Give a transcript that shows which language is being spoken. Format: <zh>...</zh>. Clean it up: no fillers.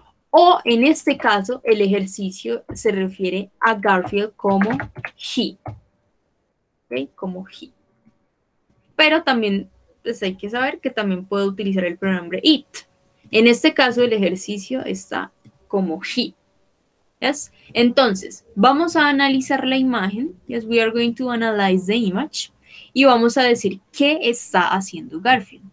<es>O, en este caso, el ejercicio se refiere a Garfield como he, ¿ok? Como he. Pero también, pues hay que saber que también puedo utilizar el pronombre it. En este caso, el ejercicio está como he. ¿Yes? Entonces, vamos a analizar la imagen.</es> <en>Yes, we are going to analyze the image.</en> <es>Y vamos a decir, ¿qué está haciendo Garfield?</es>